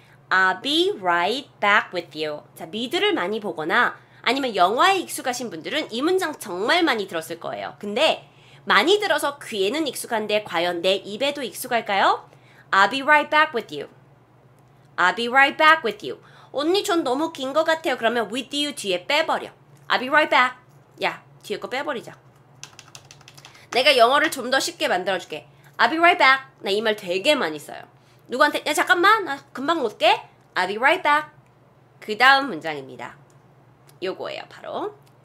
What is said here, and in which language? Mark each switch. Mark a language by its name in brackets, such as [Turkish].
[English] I'll be right back with you. [Korean] 자, 미드를 많이 보거나 아니면 영화에 익숙하신 분들은 이 문장 정말 많이 들었을 거예요. 근데 많이 들어서 귀에는 익숙한데 과연 내 입에도 익숙할까요? [English] I'll be right back with you. I'll be right back with you. [Korean] 언니, 전 너무 긴 것 같아요. 그러면 with you 뒤에 빼버려. I'll be right back. 야, 뒤에 거 빼버리자. 내가 영어를 좀 더 쉽게 만들어줄게. I'll be right back. 나 이 말 되게 많이 써요. 누구한테, 야, 잠깐만, 나 금방 올게. I'll be right back. 그 다음 문장입니다. 요거예요, 바로.